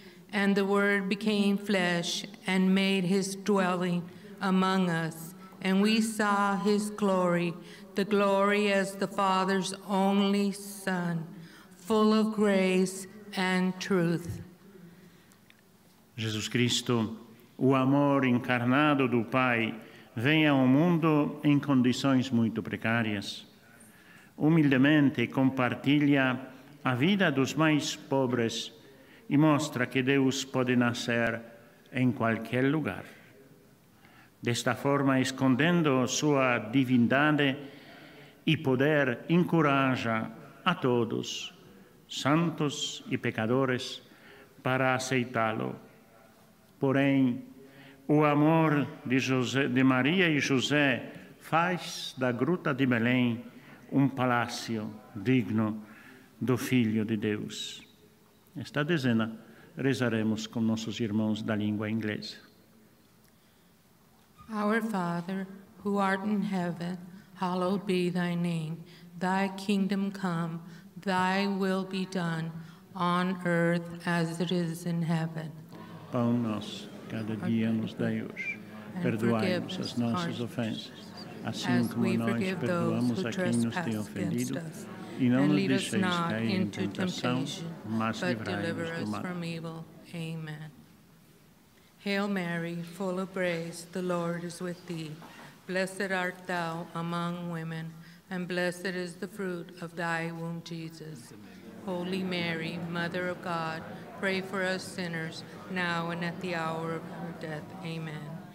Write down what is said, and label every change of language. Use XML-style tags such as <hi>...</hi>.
<en>And the Word became flesh and made his dwelling among us, and we saw his glory, the glory as the Father's only Son, full of grace and truth.</en> <pt>Jesus Cristo, o amor encarnado do Pai, vem ao mundo em condições muito precárias. Humildemente compartilha a vida dos mais pobres e mostra que Deus pode nascer em qualquer lugar. Desta forma, escondendo sua divindade e poder, encoraja a todos, santos e pecadores, para aceitá-lo. Porém, o amor de José, de Maria e José faz da Gruta de Belém palácio digno do Filho de Deus. Esta dezena rezaremos com nossos irmãos da língua inglesa.</pt> <en>Our Father, who art in heaven, hallowed be thy name. Thy kingdom come, thy will be done, on earth as it is in heaven.</en> <pt>Pão nosso cada dia nos dai hoje. Perdoai-nos as nossas ofensas, assim como nós perdoamos a quem nos tem ofendido. E não nos deixeis cair em tentação, mas livrai-nos do mal.</pt> <en>Amen. Hail Mary, full of grace, the Lord is with thee. Blessed art thou among women, and blessed is the fruit of thy womb, Jesus. Holy Mary, Mother of God, pray for us sinners, now and at the hour of our death. Amen.</en>